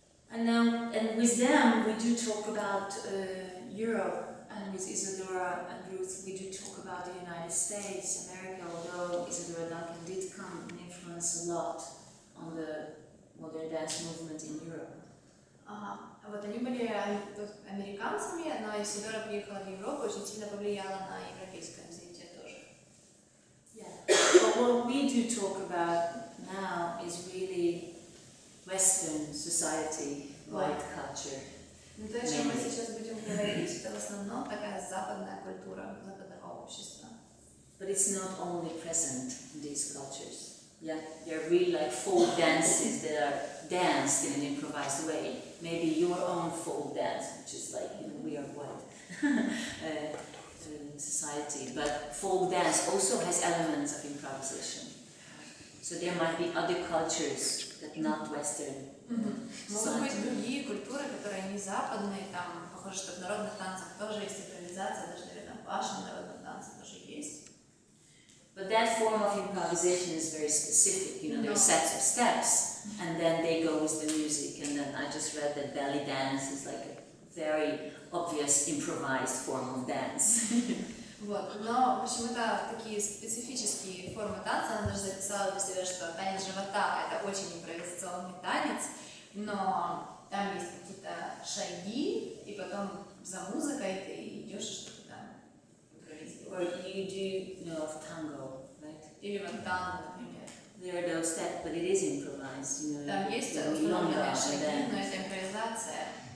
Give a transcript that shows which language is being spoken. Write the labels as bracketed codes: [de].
[en] And now, and with them we do talk about Europe, and with Isadora and Ruth we do talk about the United States, America, although Isadora Duncan did come and influence a lot on the modern dance movement in Europe. [ru] Вот они были американцами, но Исидора приехала в Европу, очень сильно повлияла на европейское развитие тоже. [en] Yeah. But what we do talk about now is really Western society, white culture. [ru] Ну, то, о чем мы сейчас будем говорить, это в основном такая западная культура, западного общества. [en] But it's not only present in these cultures. Yeah, there are really like folk dances that are danced in an improvised way. Maybe your own folk dance, which is like, you know, we are white society. But folk dance also has elements of improvisation. So there might be other cultures that not Western. [ru] Могут быть другие культуры, которые не западные, там, похоже, что в народных танцах тоже есть импровизация, даже или там в вашем народном танце тоже есть. [en] But that form of improvisation is very specific, you know, there are sets of steps and then they go with the music, and then I just read that belly dance is like a very obvious improvised form of dance. [ru] Вот, но почему-то такие специфические формы танца, она даже записала для себя, что танец живота – это очень импровизационный танец, но там есть какие-то шаги, и потом за музыкой ты идешь. [en] Or you do know of tango, right? [ru] Или вот танго, например. [en] There are those steps, but it is improvised, you know. [ru] Там есть установленные шаги, но это импровизация.